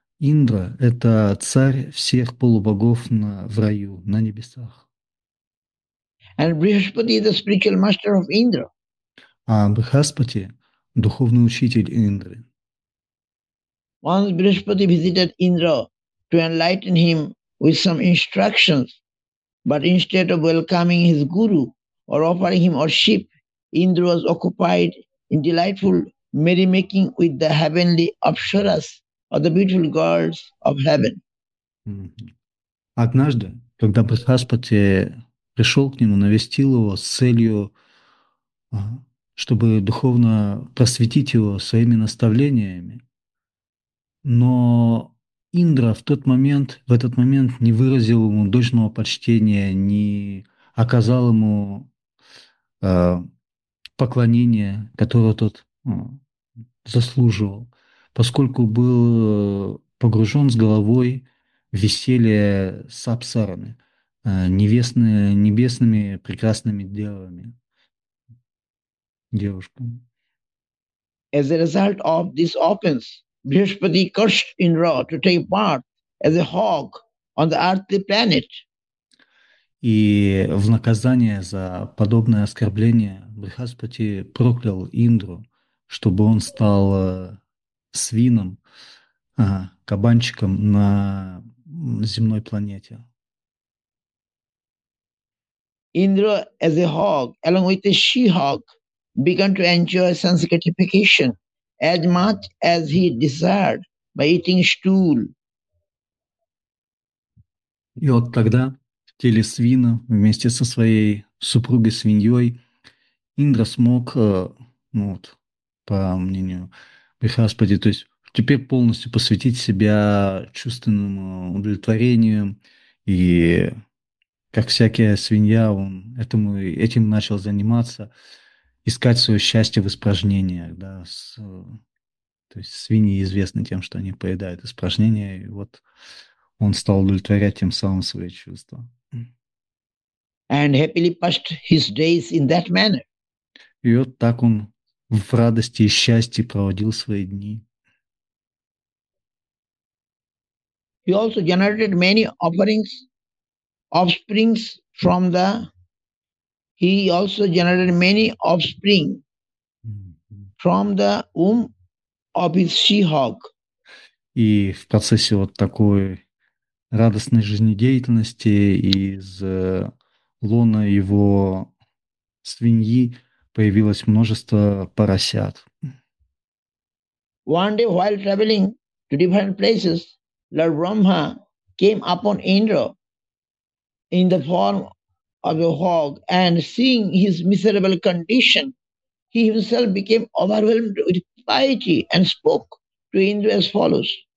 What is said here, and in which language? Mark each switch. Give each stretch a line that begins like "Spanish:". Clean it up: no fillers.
Russian: Индра — это царь всех полубогов в раю, на небесах.
English: And Brihaspati is the spiritual master of Indra.
Russian: А Брихаспати — духовный учитель Индры.
English: Once Brihaspati visited Indra to enlighten him with some instructions, but instead of welcoming his guru or offering him a ship, Indra was occupied in delightful merrymaking with the heavenly apsaras or the beautiful girls of heaven.
Russian: Однажды, когда Брихаспати пришел к нему, навестил его с целью, чтобы духовно просветить его своими наставлениями, но Индра в этот момент не выразил ему должного почтения, не оказал ему поклонения, которого тот заслуживал, поскольку был погружен с головой веселье с апсарами, небесными прекрасными девами, девушками.
English: As a result of this offense, Brihaspati cursed Indra to take birth as a hog on the earthly planet.
Russian: И в наказание за подобное оскорбление Брихаспати проклял Индру, чтобы он стал свином, кабанчиком на земной планете.
English: Indra as a hog, along with a she-hog, began to enjoy sense gratification as much as he desired by eating stool.
Russian: И вот тогда в теле свина вместе со своей супругой-свиньей Индра смог, ну вот, по мнению Брихаспати, то есть теперь полностью посвятить себя чувственному удовлетворению. И как всякая свинья, он этим начал заниматься. искать свое счастье в испражнениях, да. То есть свиньи известны тем, что они поедают испражнения, и вот он стал удовлетворять тем самым свои чувства.
English: And happily passed his days in that manner.
Russian: И вот так он в радости и счастье проводил свои дни.
English: He also generated many offerings, offsprings from the. He also generated many offspring from the womb of his she-hog.
Russian: И в процессе вот такой радостной жизнедеятельности из лона его свиньи появилось множество поросят.
English: One day while traveling to different places, Lord Brahma came upon Indra in the form of a hog, and seeing his miserable condition, he himself became overwhelmed with piety and spoke to Indra as follows.